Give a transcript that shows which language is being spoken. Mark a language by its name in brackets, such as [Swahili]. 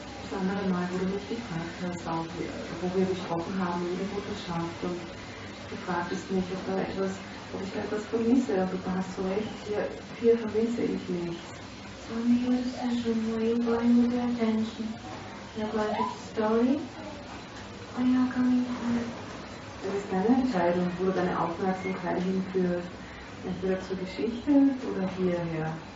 [German] Das andere Mal, wo du mich gefragt hast, auch wo wir gesprochen haben in der Mutterschaft, und du fragtest mich, ob da etwas, ob ich da etwas vermisse, und du hast so recht, hier vermisse ich nichts. [English] So, here is the room where you're going with your attention. You're going to the story, or you're coming here. [German] Das ist deine Entscheidung, wo du deine Aufmerksamkeit hinführst, entweder zur Geschichte oder hierher.